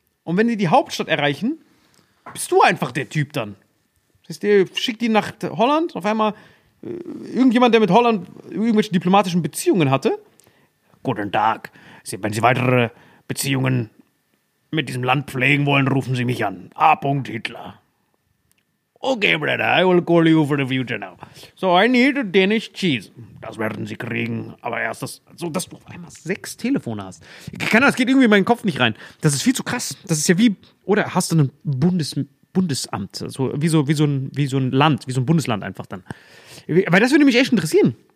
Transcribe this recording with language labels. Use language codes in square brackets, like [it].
[de] Und wenn die Hauptstadt erreichen, bist du einfach der Typ dann. Das heißt, der schickt die nach Holland, auf einmal irgendjemand, der mit Holland irgendwelche diplomatischen Beziehungen hatte. Guten Tag, wenn Sie weitere Beziehungen mit diesem Land pflegen wollen, rufen Sie mich an. A. Hitler. [en] Okay, Brother, I will call you for the future now. So, I need a Danish cheese. [de] Das werden Sie kriegen, aber erst das, so, dass du auf einmal 6 Telefone hast. Das geht irgendwie in meinen Kopf nicht rein. Das ist viel zu krass. Das ist ja wie, oder hast du ein Bundesamt? Also wie so ein Bundesland einfach dann. Weil das würde mich echt interessieren.